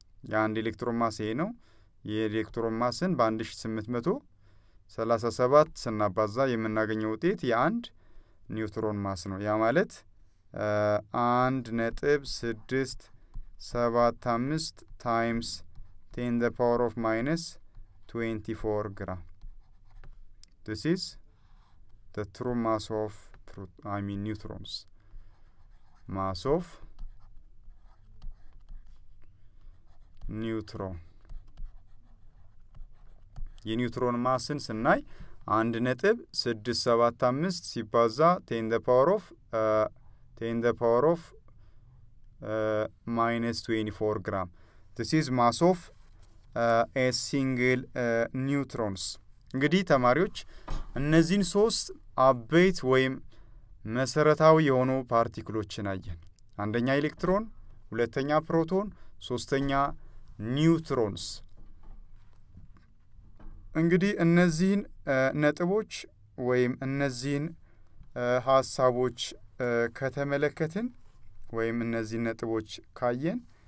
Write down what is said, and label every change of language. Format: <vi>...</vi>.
<am>የአንድ ኤሌክትሮን ማስ ይሄ ነው። የኤሌክትሮን ማስን በ1837 ስናባዛ የምናገኘው ውጤት የአንድ ኒውትሮን ማስ ነው። ያ ማለት 1.675 times 10^-24 ግራም.</am> <en>This is the true mass of neutrons. Mass of neutron.</en> <am>የኒውትሮን ማስን ስናይ 1.675 ሲባዛ 10^-24 ግራም.</am> <en>This is mass of a single neutrons.</en> <am>እንግዲህ ተማሪዎች እነዚህን 3 አበይት ወይም መሰረታዊ የሆኑ ፓርቲክሎችን አየን። አንደኛ ኤሌክትሮን፣ ሁለተኛ ፕሮቶን፣ ሶስተኛ ኒውትሮንስ። እንግዲህ እነዚህን ነጥቦች ወይም እነዚህን ሐሳቦች ከተመለከትን ወይም እነዚህን ነጥቦች ካየን</am>